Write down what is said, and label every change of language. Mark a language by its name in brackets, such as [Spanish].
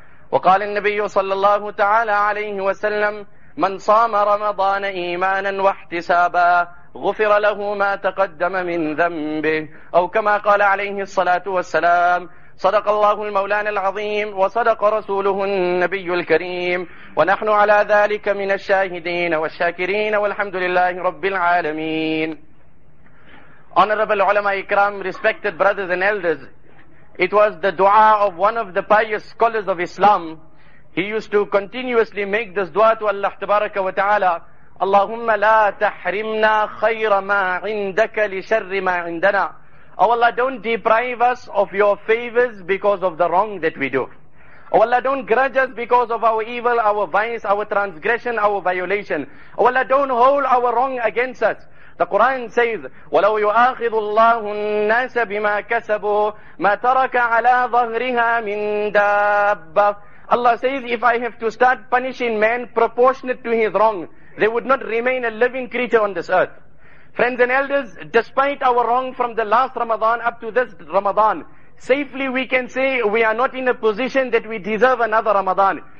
[Arabic] وقال النبي صلى الله تعالى عليه وسلم: من صام رمضان إيمانا واحتسابا غفر له ما تقدم من ذنبه، أو كما قال عليه الصلاة والسلام. صدق الله المولانا العظيم وصدق رسوله النبي الكريم، ونحن على ذلك من الشاهدين والشاكرين، والحمد لله رب العالمين. [English] Honorable ulama ikram, respected brothers and elders, it was the dua of one of the pious scholars of Islam. He used to continuously make this dua to Allah tabaraka wa ta'ala: [Arabic] اللهم لا تحرمنا خير ما عندك لشر ما عندنا. [English] Oh Allah, don't deprive us of your favors because of the wrong that we do. Oh Allah, don't grudge us because of our evil, our vice, our transgression, our violation. Oh Allah, don't hold our wrong against us. The Quran says, [Arabic] وَلَوْ يُؤَاخِذُ اللَّهُ النَّاسَ بِمَا كَسَبُوا مَا تَرَكَ عَلَىٰ ظَهْرِهَا مِنْ دَابَّةٍ. [English] Allah says, if I have to start punishing man proportionate to his wrong, they would not remain a living creature on this earth. Friends and elders, despite our wrong from the last Ramadan up to this Ramadan, safely we can say we are not in a position that we deserve another Ramadan.